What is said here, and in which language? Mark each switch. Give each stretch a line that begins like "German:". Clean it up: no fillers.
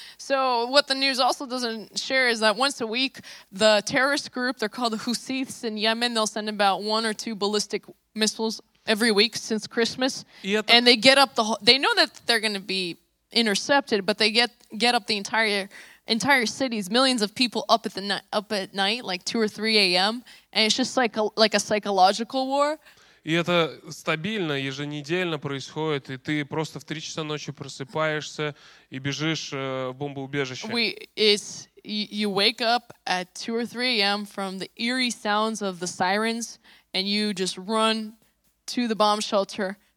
English: So, what the news also doesn't share is that once a week, the terrorist group, they're called the Houthis in Yemen, they'll send about 1 or 2 ballistic missiles every week since Christmas. And they get up the whole... They know that they're going to be intercepted, but they get up the entire cities, millions of people up at night, like 2 or 3 a.m., and it's just like a psychological war.
Russian: И это стабильно, еженедельно происходит, и ты просто в 3 часа ночи просыпаешься и бежишь в бомбоубежище.
English: You wake up at 2 or 3 a.m. from the eerie sounds of the sirens, and you just run to the bomb shelter.